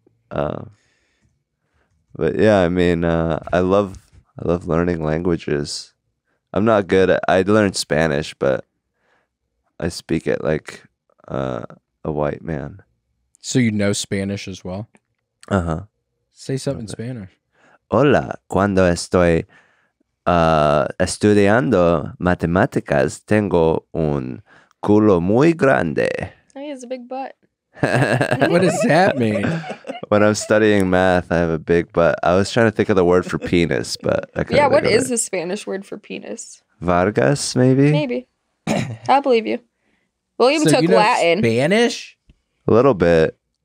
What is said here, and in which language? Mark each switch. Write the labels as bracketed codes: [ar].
[en] But yeah, I mean, I love learning languages. I'm not good at, I learned Spanish, but I speak it like a white man. So you know Spanish as well? Uh-huh. Say something in Spanish. [es] Hola, cuando estoy estudiando matemáticas, tengo un culo muy grande. [en] Oh, he has a big butt. What does that mean? When I'm studying math, I have a big butt. I was trying to think of the word for penis, but I couldn't. Yeah, what is the Spanish word for penis? Vargas, maybe? Maybe. I believe you. William took Latin. Spanish? A little bit.